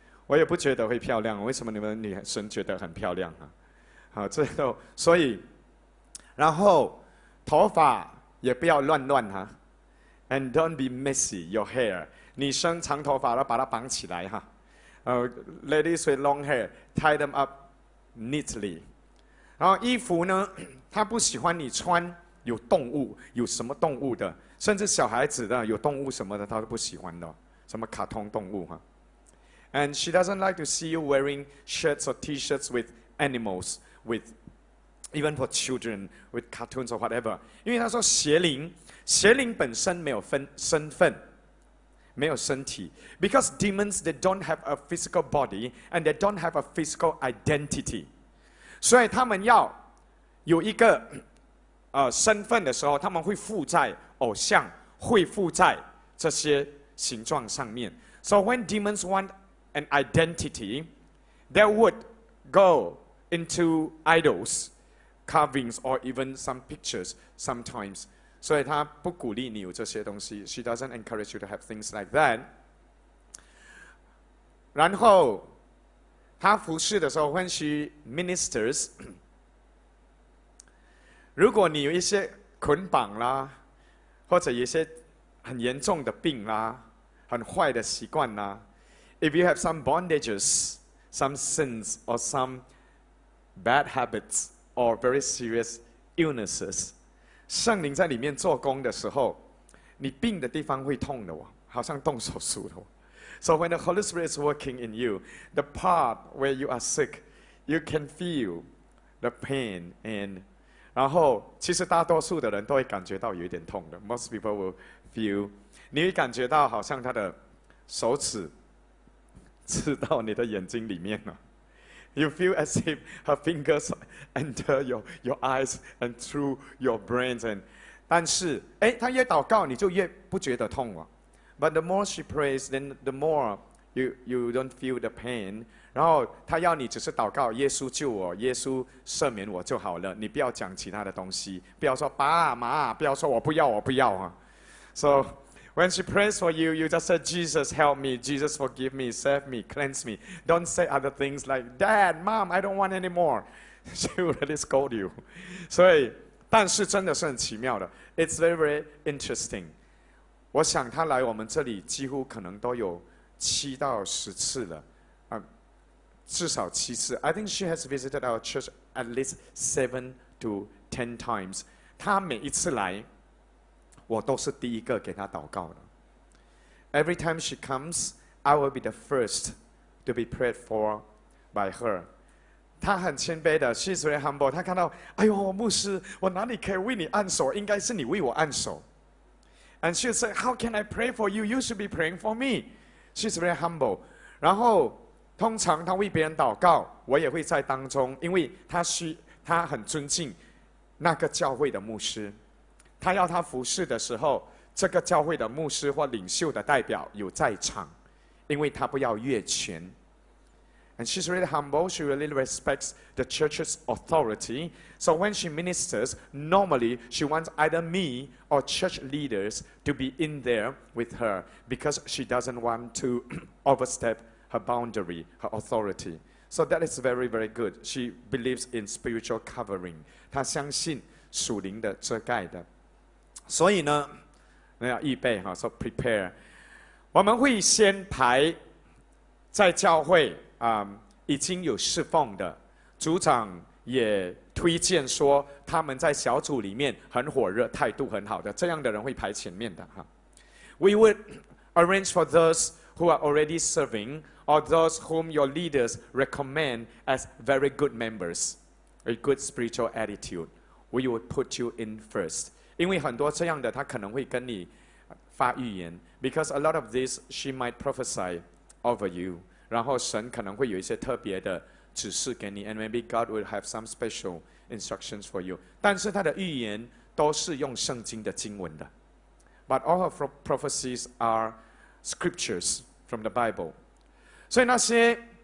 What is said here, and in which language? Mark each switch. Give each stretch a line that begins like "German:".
Chinese: 我也不觉得会漂亮，为什么你们女生觉得很漂亮啊？好，最后，所以，然后头发也不要乱乱哈 ，
English: and don't be messy your hair。
Chinese: 女生长头发要把它绑起来哈。
English: Ladies with long hair, tie them up neatly。
Chinese: 然后衣服呢，她不喜欢你穿有动物，有什么动物的，甚至小孩子的有动物什么的，她都不喜欢的，什么卡通动物哈。
English: And she doesn't like to see you wearing shirts or T-shirts with animals, with even for children, with cartoons or whatever.
Chinese: 因为她说邪灵，邪灵本身没有分身份。没有身体
English: because demons they don't have a physical body and they don't have a physical identity，
Chinese: 所以他们要有一个身份的时候，他们会附在偶像，会附在这些形状上面。
English: So when demons want an identity they would go into idols carvings or even some pictures sometimes。
Chinese: 所以她不鼓励你有这些东西。
English: She doesn't encourage you to have things like that。
Chinese: 然后，她服侍的时候
English: ，when she ministers，
Chinese: 如果你有一些捆绑啦，或者一些很严重的病啦，很坏的习惯啦
English: ，if you have some bondages, some sins or some bad habits or very serious illnesses。
Chinese: 圣灵在里面做工的时候，你病的地方会痛的哦，好像动手术的哦。
English: So when the Holy Spirit is working in you, the part where you are sick, you can feel the pain.
Chinese: And 然后其实大多数的人都会感觉到有一点痛的。
English: Most people will feel,
Chinese: 你会感觉到好像他的手指刺到你的眼睛里面了。
English: You feel as if her fingers enter your eyes and through your brains.
Chinese: And, 但是，哎，她越祷告，你就越不觉得痛了。
English: But the more she prays, then the more you don't feel the pain.
Chinese: 然后她要你只是祷告，耶稣救我，耶稣赦免我就好了。你不要讲其他的东西，不要说爸妈，不要说我不要，我不要啊。
English: So when she prays for you, you just say, Jesus, help me. Jesus, forgive me, save me, cleanse me. Don't say other things like, Dad, Mom, I don't want anymore. She will really scold you.
Chinese: 所以，但是真的是很奇妙的。
English: It's very, very interesting.
Chinese: 我想她来我们这里几乎可能都有7到10次了。至少7次。
English: I think she has visited our church at least 7 to 10 times.
Chinese: 她每一次来我都是第一个给她祷告的。
English: Every time she comes, I will be the first to be prayed for by her.
Chinese: 她很谦卑的 ，
English: she's very humble.
Chinese: 她看到，哎呦，牧师，我哪里可以为你按手？应该是你为我按手。
English: And she said, "How can I pray for you? You should be praying for me." She's very humble.
Chinese: 然后，通常她为别人祷告，我也会在当中，因为她很尊敬那个教会的牧师。他要他服侍的时候，这个教会的牧师或领袖的代表有在场，因为他不要越权。
English: And she's really humble, she really respects the church's authority. So when she ministers, normally she wants either me or church leaders to be in there with her because she doesn't want to overstep her boundary, her authority. So that is very, very good. She believes in spiritual covering.
Chinese: 她相信属灵的遮盖的。所以呢，那要预备哈，说
English: prepare。
Chinese: 我们会先排在教会啊、已经有侍奉的，组长也推荐说他们在小组里面很火热，态度很好的，这样的人会排前面的哈。
English: We would arrange for those who are already serving or those whom your leaders recommend as very good members, a good spiritual attitude. We would put you in first.
Chinese: 因为很多这样的他可能会跟你发预言
English: because a lot of this she might prophesy over you
Chinese: 然后神可能会有一些特别的指示给你
English: and maybe God will have some special instructions for you
Chinese: 但是他的预言都是用圣经的经文的
English: but all her prophecies are scriptures from the Bible
Chinese: 所以那些